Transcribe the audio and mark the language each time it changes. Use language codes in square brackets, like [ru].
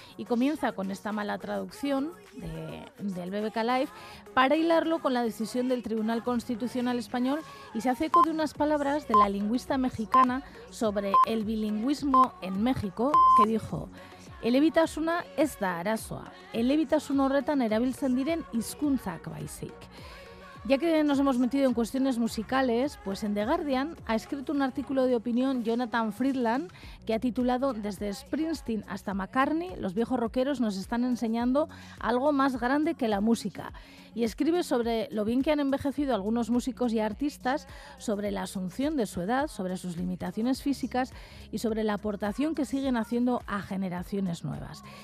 [es] Y comienza con esta mala traducción del BBK Live para hilarlo con la decisión del Tribunal Constitucional Español y se hace eco de unas palabras de la lingüista mexicana sobre el bilingüismo en México que dijo... [eu] Elebitasuna ez da arazoa. Elebitasun horretan erabiltzen diren hizkuntzak baizik. [es] Ya que nos hemos metido en cuestiones musicales, pues en The Guardian ha escrito un artículo de opinión Jonathan Friedland que ha titulado Desde Springsteen hasta McCartney, los viejos rockeros nos están enseñando algo más grande que la música. Y escribe sobre lo bien que han envejecido algunos músicos y artistas, sobre la asunción de su edad, sobre sus limitaciones físicas y sobre la aportación que siguen haciendo a generaciones nuevas.